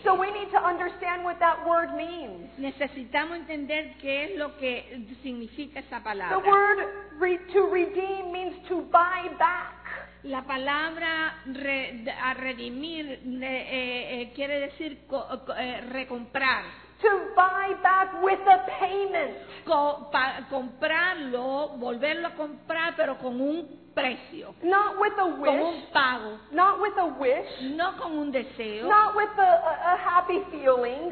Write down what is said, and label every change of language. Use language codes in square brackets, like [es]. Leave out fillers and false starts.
[en] So we need to understand what that word means. [es] Necesitamos entender qué es lo que significa esa palabra. [en] The word to redeem means to buy back. [es] La palabra redimir quiere decir recomprar. [en] To buy back with a payment. [es] Comprarlo, volverlo a comprar, pero con un precio. [en] Not with a wish. [es] Con un pago. [en] Not with a wish. [es] No con un deseo. [en] Not with a happy feeling.